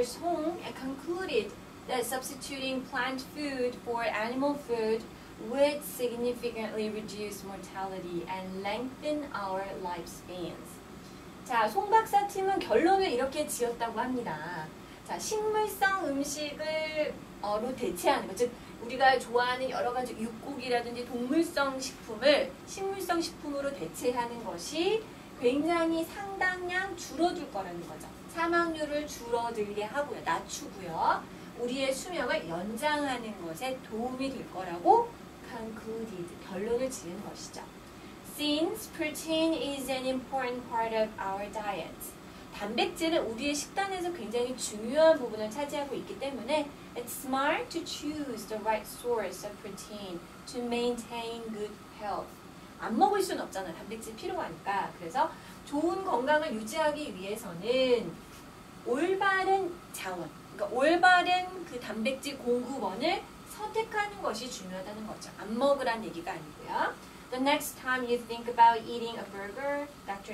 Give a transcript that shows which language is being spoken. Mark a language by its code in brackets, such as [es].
[en] Song concluded that substituting plant food for animal food would significantly reduce mortality and lengthen our lifespans. [ko] 자, 송 박사팀은 결론을 이렇게 지었다고 합니다. 자, 식물성 음식을 로 대체하는 것, 즉 우리가 좋아하는 여러 가지 육고기라든지 동물성 식품을 식물성 식품으로 대체하는 것이 굉장히 상당량 줄어들 거라는 거죠. 사망률을 줄어들게 하고요, 낮추고요, 우리의 수명을 연장하는 것에 도움이 될 거라고 concluded, 결론을 지은 것이죠. [en] Since protein is an important part of our diet, [ko] 단백질은 우리의 식단에서 굉장히 중요한 부분을 차지하고 있기 때문에 [en] It's smart to choose the right source of protein to maintain good health. [ko] 안 먹을 수는 없잖아요. 단백질 필요하니까. 그래서 좋은 건강을 유지하기 위해서는 올바른 자원, 그러니까 올바른 그 단백질 공급원을 선택하는 것이 중요하다는 거죠. 안 먹으란 얘기가 아니고요. [en] The next time you think about eating a burger, Dr.